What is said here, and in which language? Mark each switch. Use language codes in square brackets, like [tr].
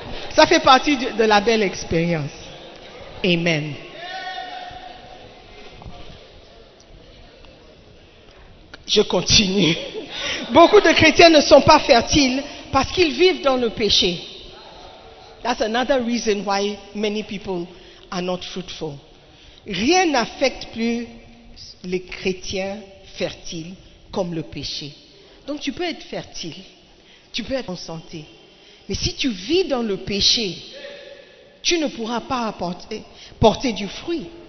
[fr] Ça fait partie de la belle expérience. Amen. Je continue. Beaucoup de chrétiens ne sont pas fertiles parce qu'ils vivent dans le péché. [en] That's another reason why many people are not fruitful. [fr] Rien n'affecte plus les chrétiens fertiles comme le péché. Donc tu peux être fertile. Tu peux être en santé. Mais si tu vis dans le péché, tu ne pourras pas porter du fruit.